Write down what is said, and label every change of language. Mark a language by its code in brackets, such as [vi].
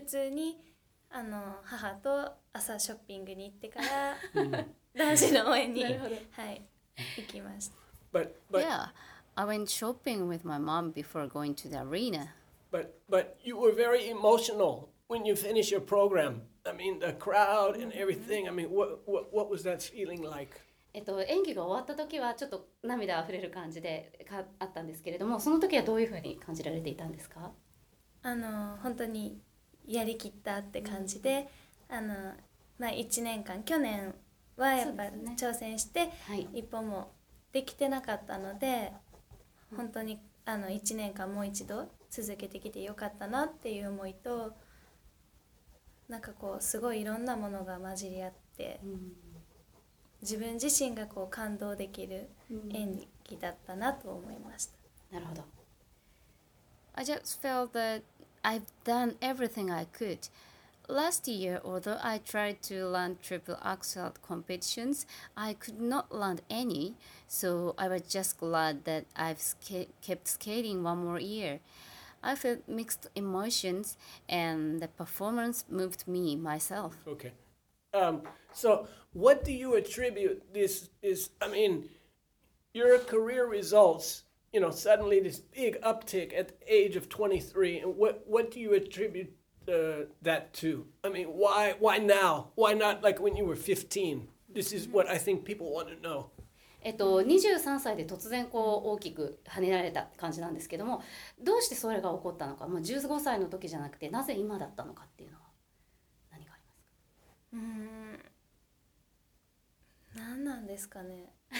[ja] 普通に母と朝ショッピングに行ってから男子の応援に行きました。 [en] But yeah, I went shopping with my mom before going to the arena. But you were very emotional when you finished your program. I mean, the crowd and everything. I mean, what was that feeling like? [ja] 演技が終わった時はちょっと涙あふれる感じであったんですけれども、その時はどういうふうに感じられていたんですか？本当にやりきったって感じで、1年間、去年はやっぱ挑戦して一歩もできてなかったので、本当に1年間もう一度続けてきてよかったなっていう思いと、なんかこうすごいいろんなものが混じり合って、自分自身がこう感動できる演技だったなと思いました。なるほど。 [en] I just felt that I've done everything I could. Last year, although I tried to land triple axel competitions, I could not land any. So I was just glad that I've kept skating one more year. I felt mixed emotions, and the performance moved me myself. Okay. So what do you attribute this is, I mean, your career results, you know, suddenly this big uptick at the age of 23, and what do you attribute that to? I mean, why now? Why not like when you were 15? This is what I think people want to know. [ja] 23歳で突然こう大きく跳ねられた感じなんですけども、どうしてそれが起こったのか、まあ、15歳の時じゃなくてなぜ今だったのかっていうのは何がありますか。何なんですかね。